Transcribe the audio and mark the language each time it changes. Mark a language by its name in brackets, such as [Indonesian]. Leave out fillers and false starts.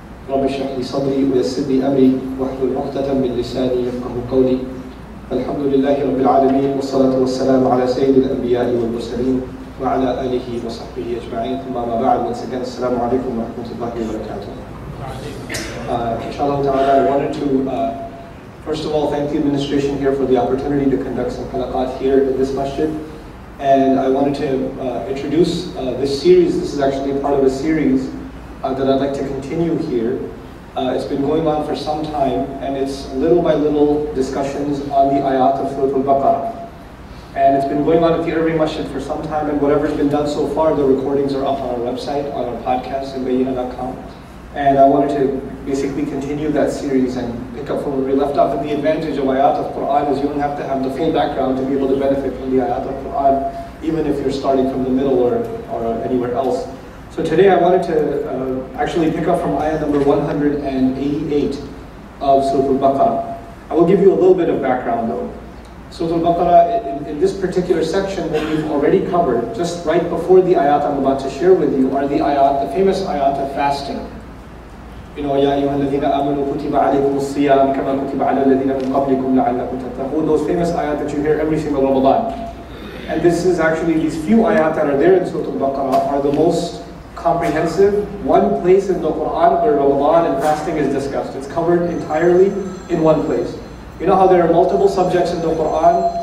[Arabic] رب اشرح لي صدري ويسر لي أمري واحلل عقدة من لساني يفقهوا قولي الحمد لله رب العالمين والصلاة والسلام على سيد الأنبياء والمرسلين وعلى آله وصحبه أجمعين ثم ما بعد [English] once again [Arabic] السلام عليكم ورحمة الله وبركاته. [English] Inshallah ta'ala, I wanted to first of all thank the administration here for the opportunity to conduct some halaqat here in this masjid. And I wanted to introduce this series. This is actually a part of a series that I'd like to continue here. It's been going on for some time, and it's little by little discussions on the ayat of Surah Al-Baqarah. And it's been going on at the Irving Masjid for some time, and whatever's been done so far, the recordings are up on our website, on our podcast, imbayina.com. And I wanted to basically continue that series and pick up from where we left off. And the advantage of ayat of Qur'an is you don't have to have the full background to be able to benefit from the ayat of Qur'an, even if you're starting from the middle or anywhere else. So today I wanted to actually pick up from ayah number 188 of Surah Al-Baqarah. I will give you a little bit of background though. Surah Al-Baqarah, in this particular section that we've already covered, just right before the ayat I'm about to share with you, are the ayat, the famous ayat of fasting. You know, [Arabic] يَا أَيُّهَا الَّذِينَ آمَنُوا كُتِبَ عَلَيْكُمُ الصِّيَامُ كَمَا كُتِبَ عَلَى الَّذِينَ مِنْ قَبْلِكُمْ لَعَلَّكُمْ تَتَّقُونَ. [English] Those famous ayat that you hear every single Ramadan. And this is actually, these few ayat that are there in Surah Al-Baqarah are the most comprehensive one place in the Quran where Ramadan and fasting is discussed. It's covered entirely in one place. You know how there are multiple subjects in the Quran?